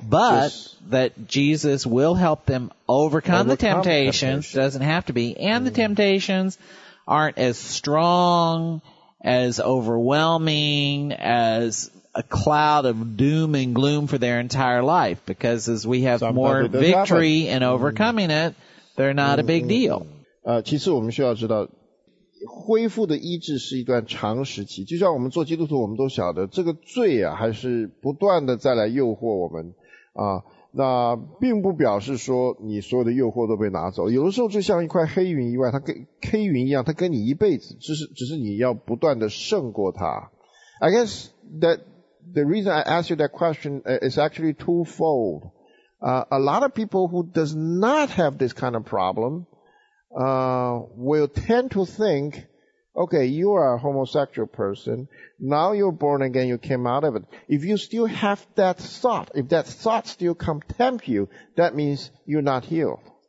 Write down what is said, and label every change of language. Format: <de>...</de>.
<en>But that Jesus will help them overcome the temptations doesn't have to be. And the temptations aren't as strong, as overwhelming, as a cloud of doom and gloom for their entire life. Because as we have more victory in overcoming it, they're not a big deal.</en> <zh>其实我们需要知道恢复的医治是一段长时期，就像我们做基督徒，我们都晓得这个罪啊，还是不断的再来诱惑我们啊。那并不表示说你所有的诱惑都被拿走，有的时候就像一块黑云一样，它跟黑云一样，它跟你一辈子，只是你要不断的胜过它。</zh> <en>I guess that the reason I ask you that question is actually twofold. A lot of people who does not have this kind of problem will tend to think, okay, you are a homosexual person. Now you're born again, you came out of it. If you still have that thought, if that thought still come tempt you, that means you're not healed.</en>